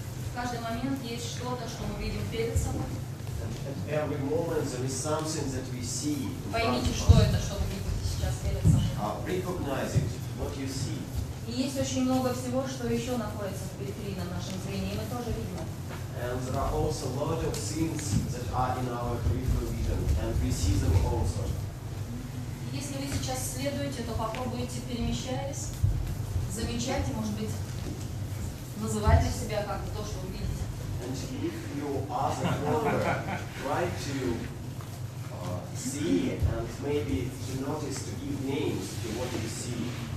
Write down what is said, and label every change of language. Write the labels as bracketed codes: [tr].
[ru] В каждый момент есть что-то, что мы видим перед собой. [en] At every moment there is something that we see. [ru] Поймите, что это, что вы видите сейчас перед собой. [en] Recognize it, what you see. [ru] И есть очень много всего, что еще находится в периферии на нашем зрении, и мы тоже видим. [en] And there are also a lot of things that are in our peripheral vision, and we see them also. [ru] Если вы сейчас следуете, то попробуйте, перемещаясь, замечать и, может быть, называть для себя как то, что вы видите. [en] And if you are the follower, try to see and maybe you notice to give names to what you see.